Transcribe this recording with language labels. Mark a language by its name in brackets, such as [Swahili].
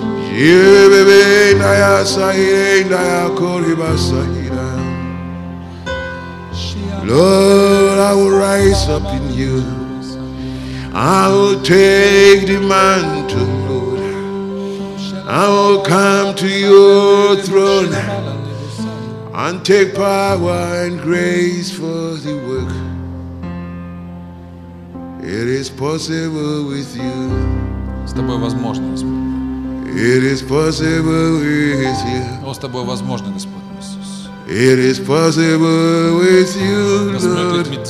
[English] Жибебе Индая Саиве Индая Кориба Сахида. Lord, I will rise up in you. I will take the mantle. I will come to your throne and take power and grace for the work. It is possible with you. [Russian] С тобой возможно, Господь. [English] It is possible with you. [Russian] О, с тобой возможно, Господь Иисус. [English] It is possible with you, Lord.